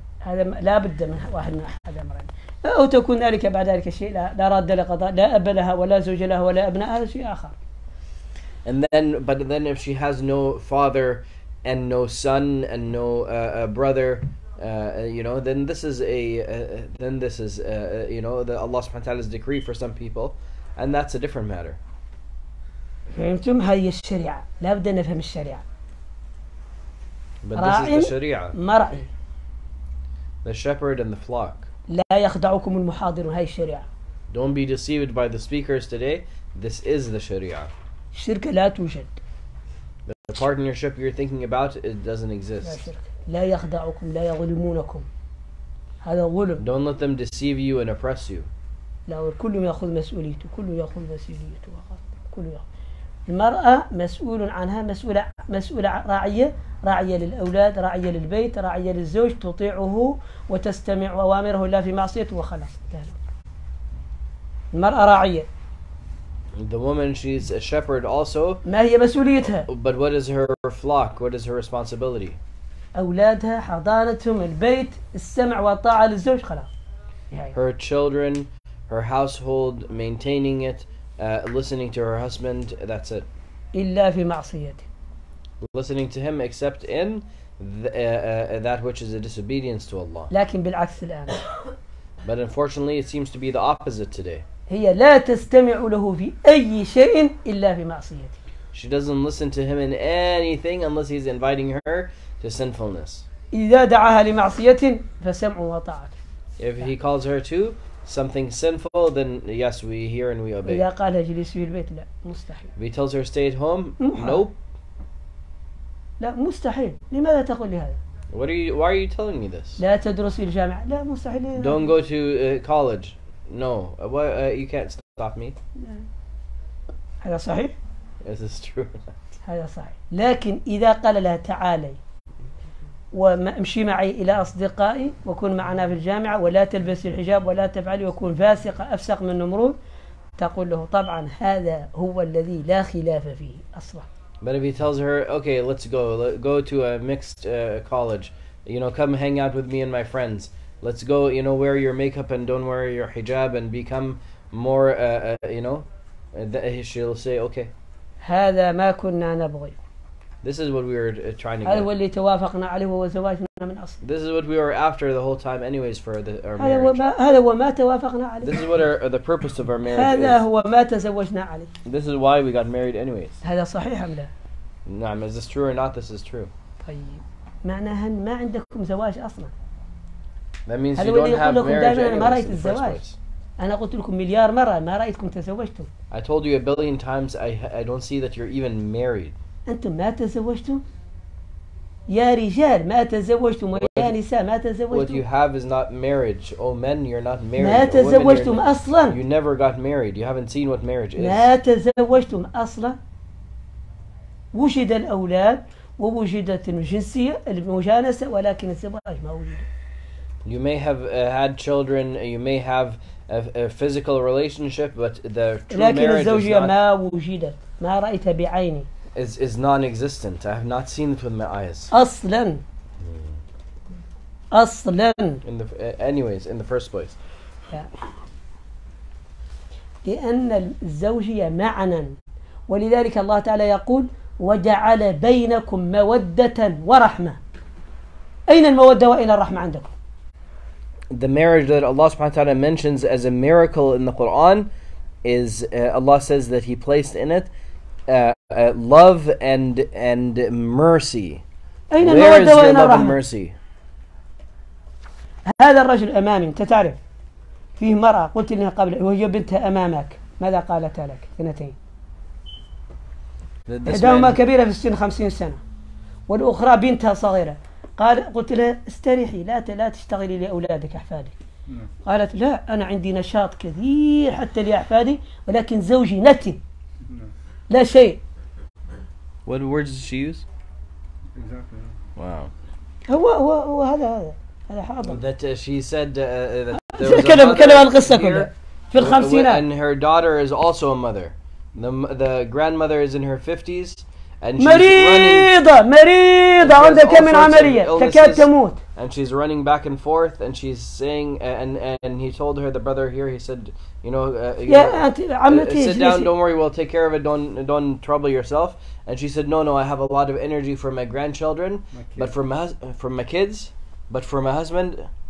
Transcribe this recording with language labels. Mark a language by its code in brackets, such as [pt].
[ar] هذا لا بد من واحد من أحد أمرين. أو تكون ذلك بعد ذلك شيء لا راد لقضاء لا أب لها ولا زوج لها ولا أبناء هذا شيء آخر. [en] And then, but then, if she has no father, and no son, and no brother, you know, then this is a, then this is, you know, the Allah [ar] سبحانه وتعالى's [en] decree for some people, and that's a different matter. [ar] فهمتم هذه الشريعة لا بد أن نفهم الشريعة. [en] But [ar] راعي [en] this is the Sharia. [ar] مرعي. [en] The shepherd and the flock. [ar] لا يخدعكم المحاضر هاي الشريعة. [en] Don't be deceived by the speakers today. This is the Sharia. [ar] الشركة لا توجد. [en] The partnership you're thinking about, it doesn't exist. [ar] لا يخدعكم لا يظلمونكم. هذا ظلم. [en] Don't let them deceive you and oppress you. [ar] لا كل يأخذ مسؤوليته كل يأخذ مسؤوليته فقط كل يأخذ. المرأة مسؤول عنها مسؤولة راعية. راعية للأولاد راعية للبيت راعية للزوج تطيعه وتستمع أوامره لا في معصيته وخلاص المرأة راعية [en] The woman, she's a shepherd also. [ar] ما هي مسؤوليتها [en] But what is her flock? What is her responsibility? [ar] أولادها حضانتهم البيت السمع والطاعة للزوج خلاص [en] Her children, her household, maintaining it, listening to her husband, that's it. [ar] إلا في معصيته [en] Listening to him except in that which is a disobedience to Allah. [ar] لكن بالعكس الآن. [en] But unfortunately, it seems to be the opposite today. [ar] هي لا تستمع له في أي شيء إلا في معصيته. [en] She doesn't listen to him in anything unless he's inviting her to sinfulness. [ar] إذا دعاها لمعصية فسمع وطاعة. [en] If he calls her to something sinful, then yes, we hear and we obey. [ar] إذا قالها جلس في البيت لا مستحيل. [en] If he tells her stay at home, nope. [ar] لا مستحيل لماذا تقول لي هذا [en] why are you telling me this [ar] لا تدرس في الجامعة لا مستحيل [en] don't go to college no why you can't stop me [ar] هذا صحيح [en] is this true [ar] هذا صحيح لكن إذا قال لها تعالي وامشي معي إلى أصدقائي وكن معنا في الجامعة ولا تلبس الحجاب ولا تفعلي وكون فاسقة أفسق من نمرود تقول له طبعا هذا هو الذي لا خلاف فيه أصلا [en] But if he tells her, okay, let's go. Go to a mixed college. You know, come hang out with me and my friends. Let's go, you know, wear your makeup and don't wear your hijab and become more, you know. She'll say, okay. [ar] هذا ما كنا نبغي. [en] This is what we were trying to [ar] هذا [en] get. [ar] هو اللي توافقنا عليه وزواجنا [en] This is what we were after the whole time anyways for the, our marriage. This is what our, the purpose of our marriage is. This is why we got married anyways. [ar] هذا صحيح أم لا؟ نعم, [en] is this true or not? This is true. [ar] طيب. معناها ما عندكم زواج أصلا. [en] That means you don't have marriage anyways in the first place. [ar] أنا قلت لكم مليار مرة ما رأيتكم تزوجتم. [en] I told you a billion times I don't see that you're even married. [ar] أنتم ما تزوجتم؟ يا رجال ما تزوجتم ويا نساء ما تزوجتم؟ [en] What you have is not marriage. Oh men, you're not married. [ar] ما تزوجتم أصلا؟ [en] You never got married. You haven't seen what marriage is. [ar] ما تزوجتم أصلا؟ وجد الأولاد ووجدت الجنسية المجانسة ولكن الزواج ما وجد. [en] You may have had children, you may have a physical relationship, but the true marriage is not, is non-existent. I have not seen it with my eyes. [ar] أصلاً. أصلاً. [en] In the, anyways, in the first place. [ar] لأن الزوجية معناً. ولذلك الله تعالى يقول وجعل بينكم مودة ورحمة. أين المودة وأين الرحمة عندكم؟ [en] The marriage that Allah [ar] subhanahu wa ta'ala [en] mentions as a miracle in the Quran is Allah says that He placed in it love and mercy. Where is your love and mercy? [ar] هذا الرجل أمامي. أنت تعرف فيه مرأة قلت لها قبل وهي بنتها أمامك ماذا قالت لك اثنتين إحداهما كبيرة في السن 50 سنة والأخرى بنتها صغيرة قال قلت لها استريحي لا تشتغلي لأولادك أحفادك قالت لا أنا عندي نشاط كثير حتى لأحفادي ولكن زوجي نتي لا شيء. [en] What words did she use? Exactly. Wow. [ar] هو هذا حاضر. [en] That she said that there was a mother here. And her daughter is also a mother. The grandmother is in her 50s. And she's [ar] مريضة [en] running. [ar] مريضة عندك من عملية تكاد تموت. [en] And she's running back and forth and she's saying and he told her the brother here he said sit down don't worry we'll take care of it don't trouble yourself and she said no I have a lot of energy for my grandchildren but for my kids but for my husband